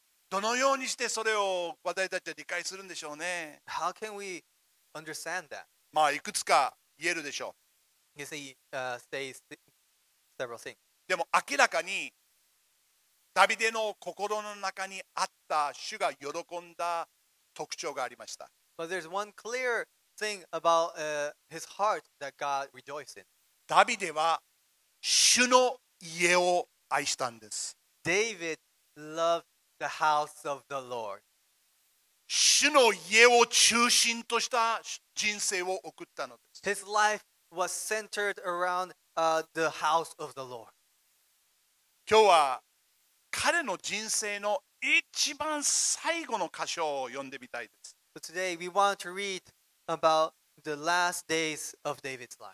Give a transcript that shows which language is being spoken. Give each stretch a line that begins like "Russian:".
Japanese: どのようにしてそれを私たちは理解するんでしょうね。
English: How can we understand that?
Japanese: まあいくつか言えるでしょう。
English: You see, say several things.
Japanese: でも明らかにダビデの心の中にあった主が喜んだ特徴がありました。
English: But there's one clear thing about his heart that God rejoiced in.
Japanese: ダビデは主の家を愛したんです。
English: David loved the house of the Lord.
Japanese: 主の家を中心とした人生を送ったのです。
English: His life was centered around the house of the Lord.
Japanese: 今日は彼の人生の一番最後の箇所を読んでみたいです。
English: So today we want to read about the last days of David's life.